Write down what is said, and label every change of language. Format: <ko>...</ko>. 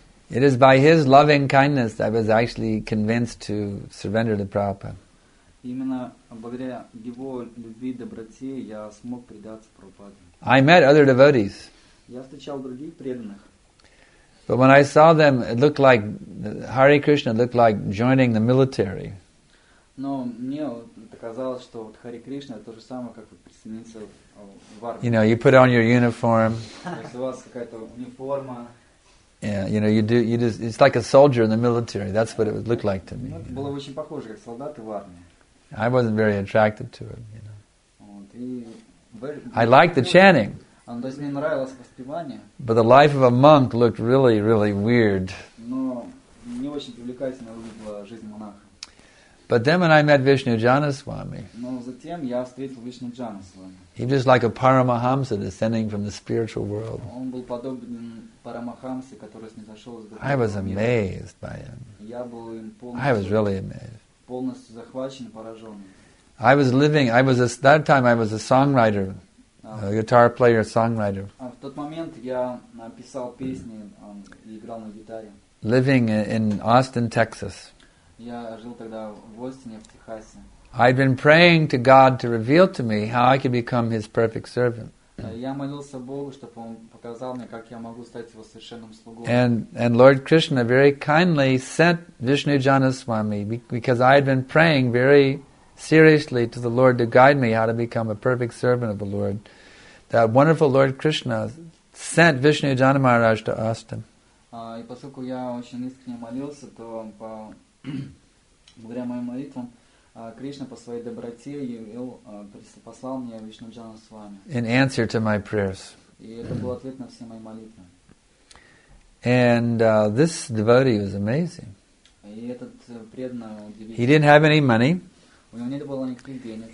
<en>It is by his loving kindness that I was actually convinced to surrender to Prabhupada.</en> <ru>Именно благодаря его любви и доброте я смог предаться Прабхупаде.</ru> <en>I met other devotees.</en> <ru>Я встречал других преданных.</ru> <en>But when I saw them, it looked like Hare Krishna looked like joining the military.</en> <ru>Но мне казалось, что вот Хари Кришна то же самое, как присоединиться в армию.</ru> <en>You know, you put on your uniform.</en> <ru>У вас какая-то униформа.</ru> <en>Yeah, you know, you just it's like a soldier in the military. That's what it would look like to me.</en> <ru>Было очень похоже, как солдаты в армии.</ru> <en>I wasn't very attracted to it, you know.</en> <ru>Вот,</ru> <en>I liked the chanting.</en> <ru>То есть мне нравилось воспевание.</ru> <en>But the life of a monk looked really, really weird.</en> <ru>Но не очень привлекательно выглядела жизнь монаха.</ru> <en>But then when I met Vishnu Janaswami,</en> <ru>но затем я встретил Вишну Джанасвами.</ru> <en>He was like a Paramahamsa descending from the spiritual world.</en> <ru>Он был подобен Парамахамсе, который снизошел из духовного мира.</ru> <en>I was amazed by him.</en> <ru>Я был им полностью.</ru> <en>I was really amazed.</en> <ru>Полностью захвачен и поражен.</ru> <en>I was living. I was that time. I was a songwriter, a guitar player, songwriter.</en> <ru>В тот момент я написал песни и играл на гитаре.</ru> <en>Living in Austin, Texas.</en> <ru>Я жил тогда в Остине, в Техасе.</ru> <en>I'd been praying to God to reveal to me how I could become His perfect servant.</en> <ru>Я молился Богу, чтобы Он показал мне, как я могу стать Его совершенным слугой.</ru> <en>And Lord Krishna very kindly sent Vishnu Janaswami because I had been praying very seriously to the Lord to guide me how to become a perfect servant of the Lord. That wonderful Lord Krishna sent Vishnu Janamaharaj to Austin.</en> <ru>И поскольку я очень искренне молился, то по благодаря моим молитвам Кришна по своей доброте послал мне Вишну Джанасвами.</ru> <en>In answer to my prayers.</en> <ru>И это был ответ на все мои молитвы.</ru> <en>And this devotee was amazing.</en> <ru>И этот преданный удивительный.</ru> <en>He didn't have any money.</en> <ru>У него не было никаких денег.</ru>